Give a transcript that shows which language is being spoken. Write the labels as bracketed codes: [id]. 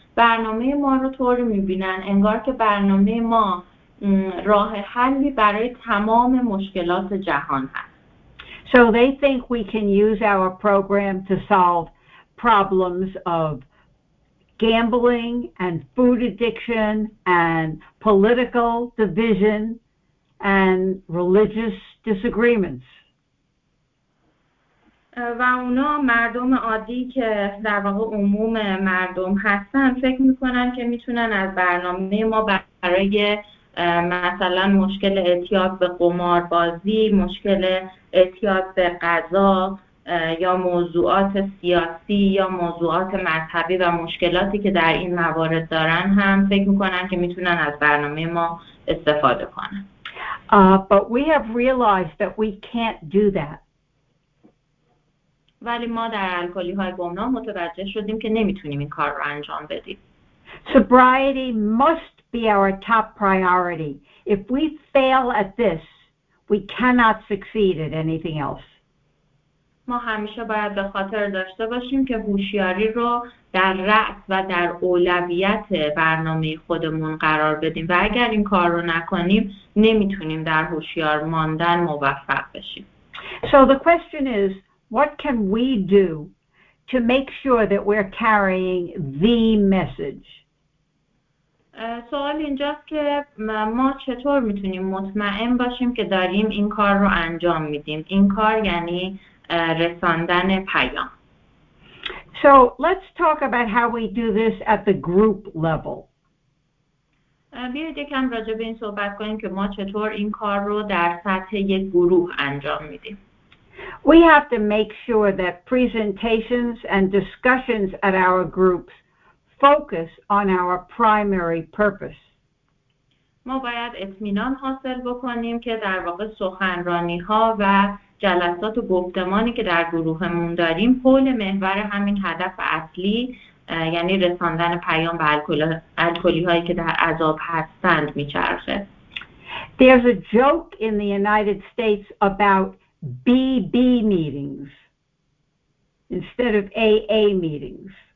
[fa] برنامه ما رو طوری میبینن انگار که برنامه ما راه حلی برای تمام مشکلات جهان هست. [en] So they think we can use our program to solve problems of gambling and food addiction and political division and religious disagreements. [fa] و اونا مردم عادی که در واقع عموم مردم هستن فکر میکنن که میتونن از برنامه ما برای مثلا مشکل اعتیاد به قماربازی، مشکل اعتیاد به غذا یا موضوعات سیاسی یا موضوعات مذهبی و مشکلاتی که در این موارد دارن هم فکر میکنن که میتونن از برنامه ما استفاده کنن. [en] But we have realized that we can't do that. [fa] ولی ما در الکلی‌های گمنام متوجه شدیم که نمیتونیم این کار رو انجام بدیم. [en] Sobriety must be our top priority. If we fail at this, we cannot succeed at anything else. [fa] ما همیشه باید به خاطر داشته باشیم که هوشیاری رو در رأس و در اولویت برنامه خودمون قرار بدیم و اگر این کار رو نکنیم نمیتونیم در هوشیار ماندن موفق بشیم. [en] So the question is, what can we do to make sure that we're carrying the message? [fa] سوال اینجاست که ما چطور میتونیم مطمئن باشیم که داریم این کار رو انجام میدیم؟ این کار یعنی رساندن پیام. [en] So let's talk about how we do this at the group level. [fa] بیایید یکم راجع به این صحبت کنیم که ما چطور این کار رو در سطح یک گروه انجام میدیم. [en] We have to make sure that presentations and discussions at our groups focus on our primary purpose. [fa] ما باید اطمینان حاصل بکنیم که در واقع سخنرانی ها و جلسات و گفتمانی که در گروهمون داریم حول محور همین هدف اصلی یعنی رساندن پیام به الکلی هایی که در عذاب هستند میچرخه. [en] There's a joke in the United States about BB meetings instead of AA meetings.